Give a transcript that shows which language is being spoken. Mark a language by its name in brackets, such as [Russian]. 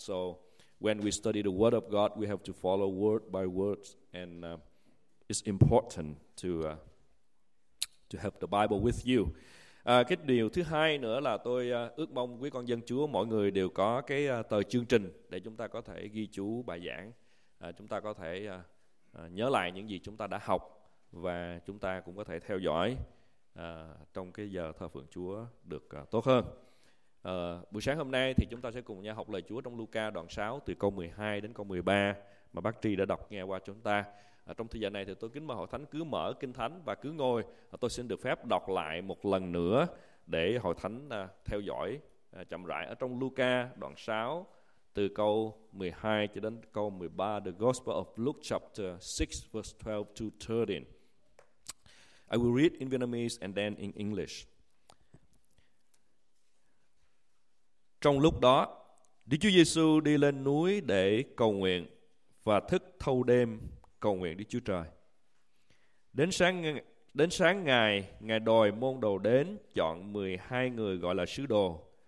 [English] So when we study the Word of God, we have to follow word by word, and it's important to have the Bible with you. [Vietnamese] Cái điều thứ hai nữa là tôi ước mong quý con dân Chúa mọi người đều có cái tờ chương trình để chúng ta có thể ghi chú bài giảng, chúng ta có thể nhớ lại những gì chúng ta đã học, và chúng ta cũng có thể theo dõi trong cái giờ thờ phượng Chúa được tốt hơn. Buổi sáng hôm nay thì chúng ta sẽ cùng nhau học lời Chúa trong Luca đoạn 6 từ câu 12 đến câu 13 mà bác Tri đã đọc nghe qua chúng ta. Trong thời gian này thì tôi kính mời hội thánh cứ mở kinh thánh và cứ ngồi, tôi xin được phép đọc lại một lần nữa để hội thánh theo dõi chậm rãi ở trong Luca đoạn 6 từ câu 12 cho đến câu 13, [English] the Gospel of Luke chapter 6 verse 12 to 13. I will read in Vietnamese and then in English. [Vietnamese] Trong lúc đó, Đức Chúa Giêsu đi lên núi để cầu nguyện và thức thâu đêm cầu nguyện Đức Chúa Trời. Đến sáng ngài đòi môn đồ đến chọn 12 người gọi là sứ đồ.